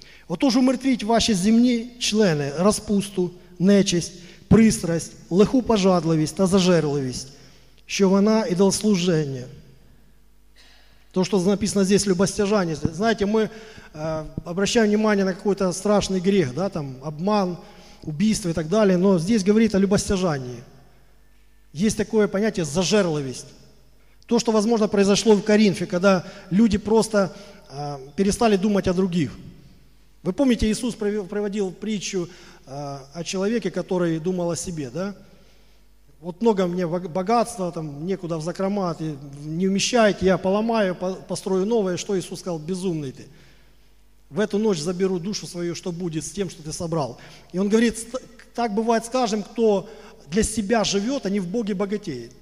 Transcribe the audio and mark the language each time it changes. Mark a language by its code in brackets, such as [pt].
[uk] Отож, умертвіть ваші земні члени розпусту, нечисть, пристрасть, лиху пожадливість та зажерливість, що вона ідолослужіння». То, що написано здесь, любостяжання. Знаєте, ми обращаємо внимание на какой-то страшний грех, да, там, обман, убийство і так далі, но здесь говорить о любостяжанні. Є таке поняття зажерливість. То, що, возможно, произошло в Коринфі, коли люди просто перестали думати о других. [ru] Ви пам'ятаєте, Ісус приводив притчу о человеке, который думал о себе, да? Вот много мне богатства, там, некуда в закрома, ты не умещаете, я поломаю, построю новое, что Иисус сказал, безумный ты. в эту ночь заберу душу свою, что будет с тем, что ты собрал. И он говорит, так бывает с каждым, кто для себя живет, они в Боге богатеют.